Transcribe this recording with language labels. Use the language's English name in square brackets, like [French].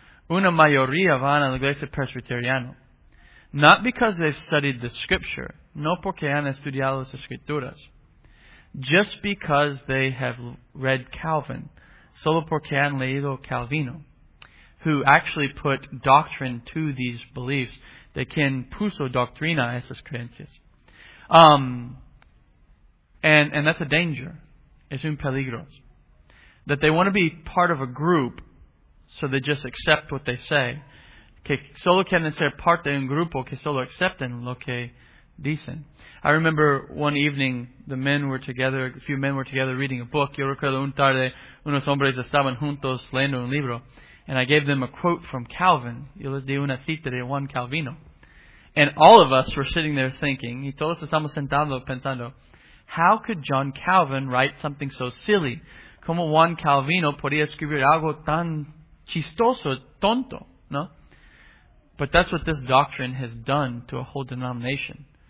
[Spanish] Una mayoría van a la iglesia presbiteriana. [English] Not because they've studied the Scripture, [Spanish] no porque han estudiado las Escrituras, [English] just because they have read Calvin, [Spanish] solo porque han leído Calvino, [English] who actually put doctrine to these beliefs, [Spanish] de quien puso doctrina a esas creencias. [English] And that's a danger. [Spanish] Es un peligro. [English] That they want to be part of a group, so they just accept what they say. [Spanish] Que solo quieren ser parte de un grupo, que solo acepten lo que dicen. [English] I remember one evening, a few men were together reading a book. [Spanish] Yo recuerdo un tarde, unos hombres estaban juntos leyendo un libro. [English] And I gave them a quote from Calvin. [Spanish] Yo les di una cita de Juan Calvino. [English] And all of us were sitting there thinking, [Spanish] y todos estamos sentados pensando, [English] how could John Calvin write something so silly? [Spanish] ¿Cómo Juan Calvino podía escribir algo tan chistoso, tonto? ¿No? [English] But that's what this doctrine has done to a whole denomination.